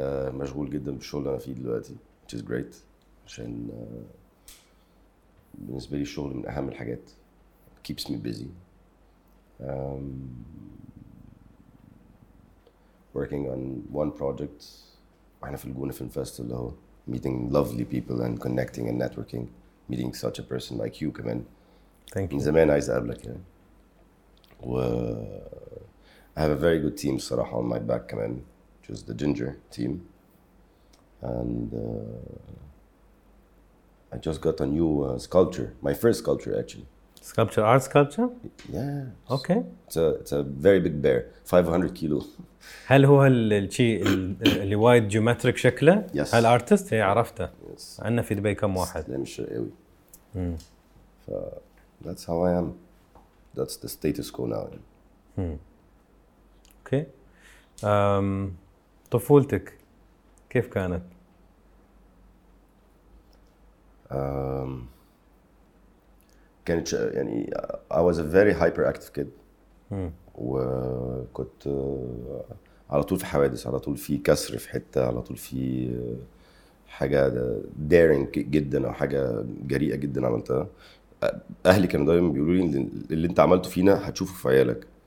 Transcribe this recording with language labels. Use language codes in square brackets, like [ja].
[ar] مشغول جدا بالشغل انا فيه دلوقتي [en] which is great، [ar] عشان بالنسبه لي الشغل من اهم الحاجات، [en] keeps me busy. working on one project، [ar] احنا في الجونه فيلم فيستيفال اهو، [en] meeting lovely people and connecting and networking، meeting such a person like you [ar] كمان. من زمان عايز أقابلك يعني. [en] و I have a very good team [ar] صراحة [en] on my back [ar] كمان، [en] which is the Ginger team. And I just got a new sculpture. My first sculpture actually. Sculpture, art sculpture? Yeah. Okay. It's a very big bear. 500 kilo. [ar] هل هو الشيء اللي وايد geometric شكله؟ [en] Yes. [ar] هل artist؟ هي عرفته. [en] Yes. [ar] عندنا في دبي كم واحد؟ لا مش قوي. [en] That's how I am. That's the status quo now. Okay. [ar] طفولتك كيف كانت؟ كانت يعني [en] I was a very hyperactive kid. [ar] وكنت على طول في حوادث، على طول في كسر في حتة، على طول في حاجة daring جدا أو حاجة جريئة جدا عملتها. اهلي كانوا دايما بيقولوا لي اللي انت عملته فينا هتشوفه في عيالك.